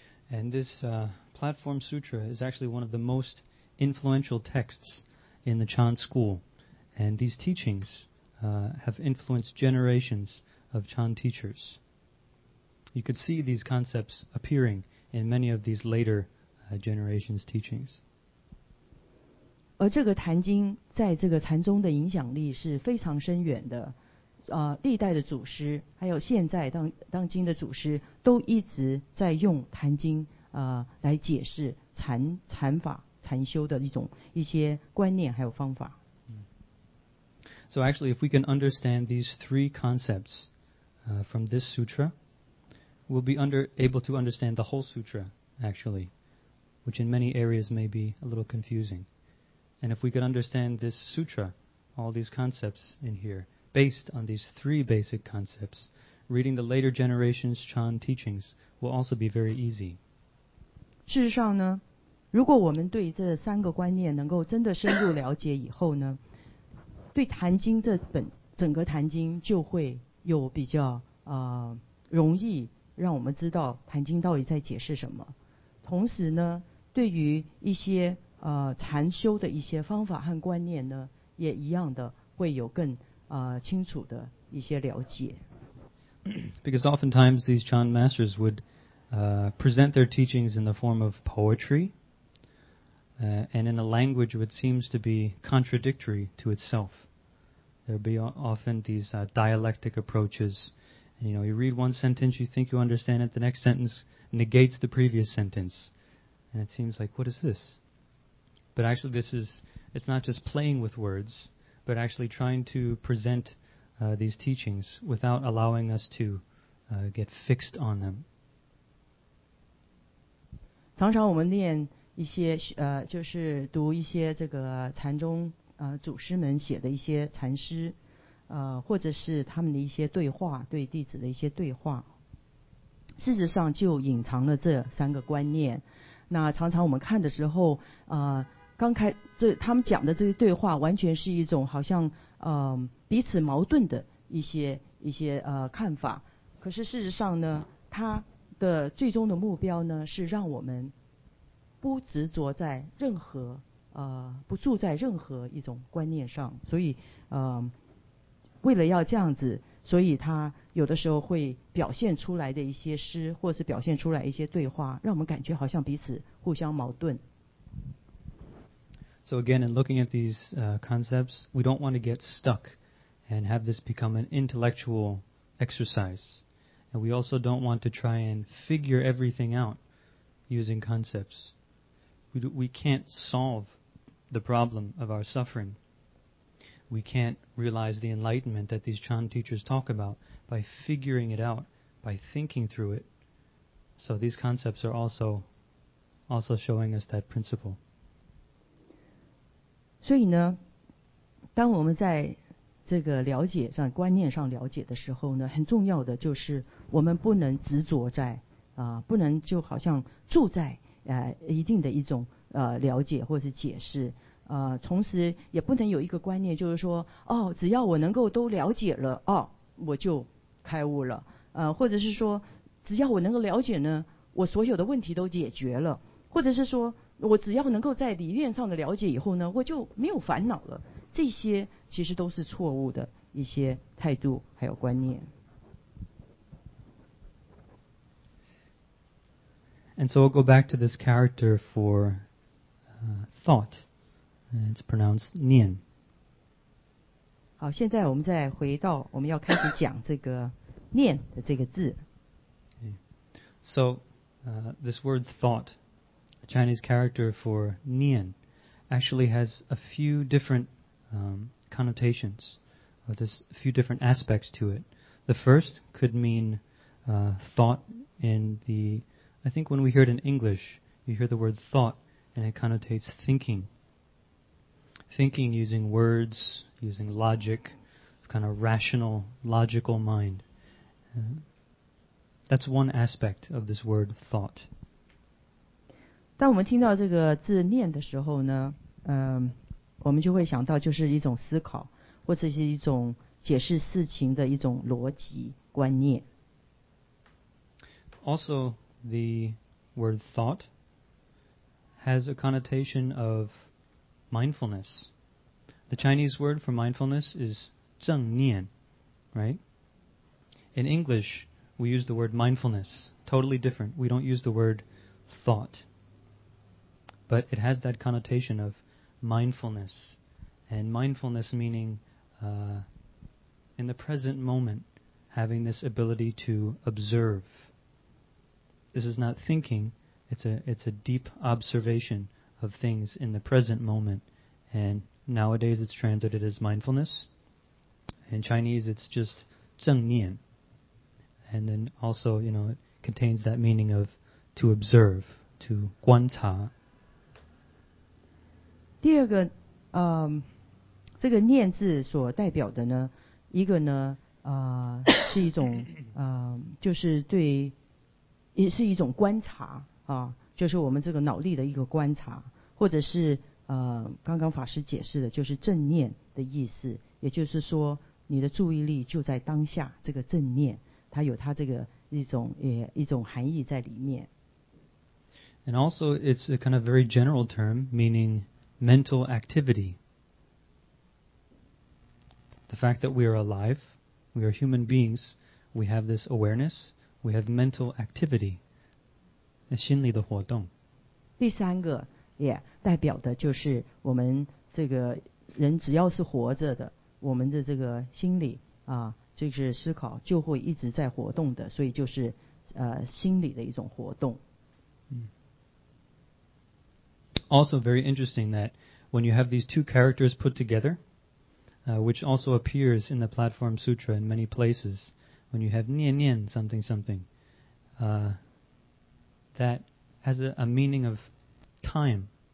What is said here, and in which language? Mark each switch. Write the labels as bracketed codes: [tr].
[en] And this Platform Sutra is actually one of the most influential texts in the Chan school, and these teachings have influenced generations of Chan teachers. You could see these concepts appearing in many of these later generations' teachings. [zh] 而这个坛经在这个禅宗的影响力是非常深远的，历代的祖师还有现在当今的祖师都一直在用坛经来解释禅法禅修的一些观念还有方法。 [en] So actually, if we can understand these three concepts from this sutra, we'll be able to understand the whole sutra actually, which in many areas may be a little confusing. And if we could understand this sutra, all these concepts in here, based on these three basic concepts, reading the later generations Chan teachings will also be very easy. [zh] 事实上呢，如果我们对这三个观念能够真的深入了解以后呢，对坛经这本整个坛经就会有比较容易让我们知道坛经到底在解释什么。同时呢，对于一些禅修的一些方法和观念呢，也一样的会有更清楚的一些了解。 [en] Because oftentimes these Chan masters would present their teachings in the form of poetry, and in a language which seems to be contradictory to itself. There'd be often these dialectic approaches. And, you read one sentence, you think you understand it, the next sentence negates the previous sentence. And it seems like, what is this? But actually it's not just playing with words, but actually trying to present these teachings without allowing us to get fixed on them. [zh] 常常我们念一些就是读一些这个禅宗祖师们写的一些禅诗或者是他们的一些对话，对弟子的一些对话，事实上就隐藏了这三个观念。那常常我们看的时候他们讲的这些对话完全是一种好像彼此矛盾的一些看法，可是事实上呢，他的最终的目标呢是让我们不执着在任何不住在任何一种观念上，所以为了要这样子，所以他有的时候会表现出来的一些诗，或是表现出来一些对话，让我们感觉好像彼此互相矛盾。 [en] So again, in looking at these concepts, we don't want to get stuck and have this become an intellectual exercise. And we also don't want to try and figure everything out using concepts. We can't solve the problem of our suffering. We can't realize the enlightenment that these Chan teachers talk about by figuring it out, by thinking through it. So these concepts are also showing us that principle. [zh] 所以呢，当我们在这个了解上、观念上了解的时候呢，很重要的就是我们不能执着在不能就好像住在一定的一种了解或是解释同时也不能有一个观念，就是说哦，只要我能够都了解了哦，我就开悟了或者是说只要我能够了解呢，我所有的问题都解决了，或者是说。我只要能够在理念上的了解以后呢，我就没有烦恼了。这些其实都是错误的一些态度还有观念。 [en] And so we'll go back to this character for thought. It's pronounced 念。 [zh] 好，现在我们再回到我们要开始讲这个念的这个字。 [en] So, this word thought. Chinese character for nian actually has a few different connotations, or there's a few different aspects to it. The first could mean thought in the... I think when we hear it in English, you hear the word thought, and it connotates thinking. Thinking using words, using logic, kind of rational, logical mind. That's one aspect of this word thought. [zh] 当我们听到这个字念的时候呢我们就会想到就是一种思考或者是一种解释事情的一种逻辑观念 [en] Also the word thought has a connotation of mindfulness The Chinese word for mindfulness is 正念 right? In English we use the word mindfulness totally different we don't use the word thoughtBut it has that connotation of mindfulness. And mindfulness meaning in the present moment, having this ability to observe. This is not thinking. It's a deep observation of things in the present moment. And nowadays it's translated as mindfulness. In Chinese it's just 正念. And then also, you know, it contains that meaning of to observe, to 观察. [zh] 第二个这个念字所代表的呢一个呢是一种就是对也是一种观察就是我们这个脑力的一个观察或者是刚刚法师解释的就是正念的意思也就是说你的注意力就在当下这个正念它有它这个一种含义在里面 [en] And also it's a kind of very general term meaningMental activity. The fact that we are alive, we are human beings, we have this awareness, we have mental activity. [zh] 心理的活动。第三个也代表的就是我们这个人只要是活着的，我们的这个心理啊，就是思考就会一直在活动的，所以就是心理的一种活动。 [en] Also very interesting that when you have these two characters put together, which also appears in the Platform Sutra in many places, when you have nian nian something something, that has a meaning of time.